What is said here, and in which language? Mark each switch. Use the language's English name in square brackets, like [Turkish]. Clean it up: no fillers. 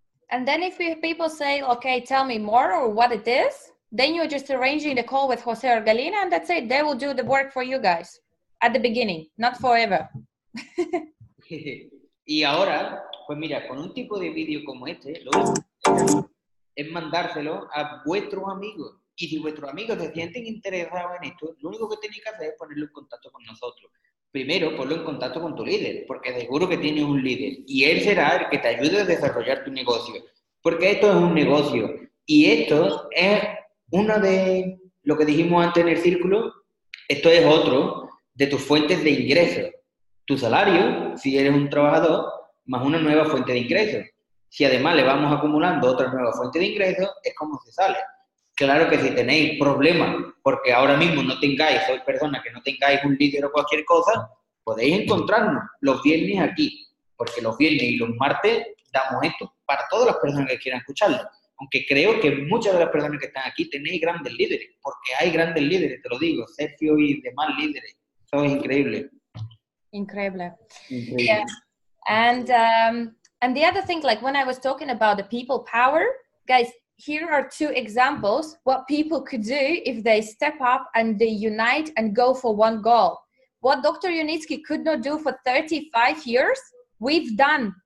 [English] And then if people say, okay, tell me more or what it is, then you're just arranging the call with Jose or Galina, and that's it. They will do the work for you guys at the beginning, not forever. [Spanish] Y ahora, pues mira, con un tipo de video como este, lo es mandárselo a vuestros amigos. Y si vuestros amigos se sienten interesados en esto, lo único que tenéis que hacer es ponerlo en contacto con nosotros. Primero, ponlo en contacto con tu líder, porque seguro que tienes un líder. Y él será el que te ayude a desarrollar tu negocio. Porque esto es un negocio. Y esto es uno de lo que dijimos antes en el círculo. Esto es otro de tus fuentes de ingresos. Tu salario, si eres un trabajador, más una nueva fuente de ingresos. Si además le vamos acumulando otra nueva fuente de ingresos, es como se sale. Claro que si tenéis problemas, porque ahora mismo no tengáis, sois personas que no tengáis un líder o cualquier cosa, podéis encontrarnos los viernes aquí, porque los viernes y los martes damos esto para todas las personas que quieran escucharlo. Aunque creo que muchas de las personas que están aquí tenéis grandes líderes, porque hay grandes líderes, te lo digo, Sergio y demás líderes, eso es increíble. Increíble. Yeah. [English] And the other thing, like when I was talking about the people power, guys, here are two examples what people could do if they step up and they unite and go for one goal. What Dr. Unitsky could not do for 35 years, we've done.